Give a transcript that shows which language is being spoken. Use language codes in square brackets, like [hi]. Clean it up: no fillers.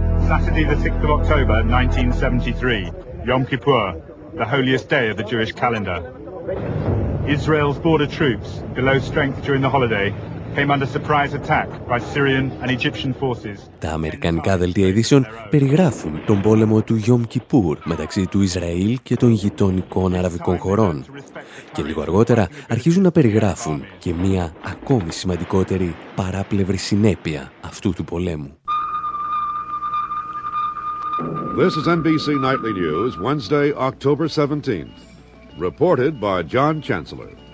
[en] Saturday the 6th of October 1973, Yom Kippur, the holiest day of the Jewish calendar. Israel's border troops, below strength during the holiday, came under surprise attack by Syrian and Egyptian forces. [el] Τα αμερικανικά δελτία ειδήσεων περιγράφουν τον πόλεμο του Yom Kippur μεταξύ του Ισραήλ και των γειτονικών αραβικών χωρών. Και λίγο αργότερα αρχίζουν να περιγράφουν και μία ακόμη σημαντικότερη παράπλευρη συνέπεια αυτού του πολέμου. [en] This is NBC Nightly News, Wednesday, October 17th, reported by John Chancellor.